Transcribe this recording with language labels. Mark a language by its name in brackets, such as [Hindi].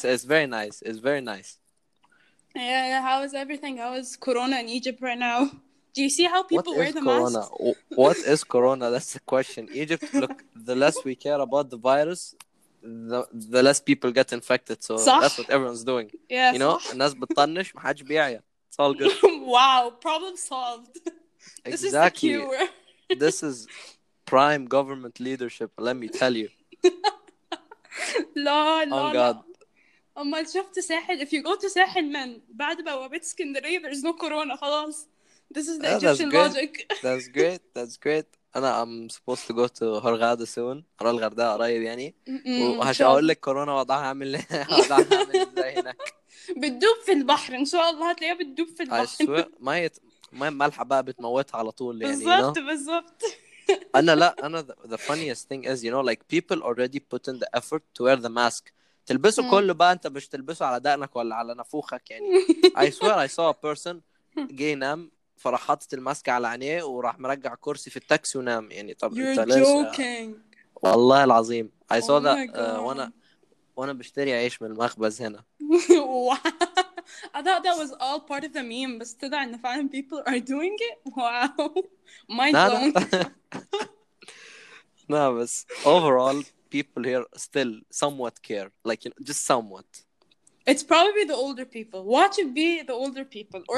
[English] It's very nice. It's very nice. Yeah, how is everything? How is Corona in Egypt right now? Do you see how people wear the corona? Masks? What is Corona? That's the question. Egypt, look, the less we care about the virus, the less people get infected, so [Arabic] صح. [English] That's what everyone's doing. Yeah, [Arabic] you know, الناس بتطنش محدش بيعيا. [English] It's all good. Wow, problem solved. Exactly. This is the cure. This is prime government leadership, let me tell you. [Arabic] لا. أما شفت ساحل, if you go to ساحل من بعد بوابة اسكندرية, there's no corona, خلاص. [English] This is the Egyptian logic. That's great, that's great. أنا I'm supposed to go to Hurghada soon. [Arabic] أرى الغرداء قريب يعني. وهش أقول لك كورونا وضعها عامل إزاي هناك. بتدوب في البحر إن شاء الله, هتلاقيها بتدوب في البحر. ما هي مالحة بقى بتموتها على طول يعني. بالظبط بالظبط. [English] أنا لا أنا the funniest thing is, you know, like people already put in the effort to wear the mask. [Arabic] تلبسه كله بقى, أنت مش تلبسه على دقنك ولا على نفوخك يعني. I swear I saw a person جاي نام فراح حاطط الماسك على عينيه وراح مرجع كرسي في التاكسي ونام يعني. طب [English] You're [Arabic] انت ليش [English] joking. والله العظيم I saw [Arabic] that وانا بشتري عيش من المخبز هنا. [English] Wow. I thought that was all part of the meme, بس طلع ان فعلا people are doing it. Wow. Mind blown. No, بس overall people here still somewhat care, like, you know, just somewhat. It's probably the older people. Watch it be the older people or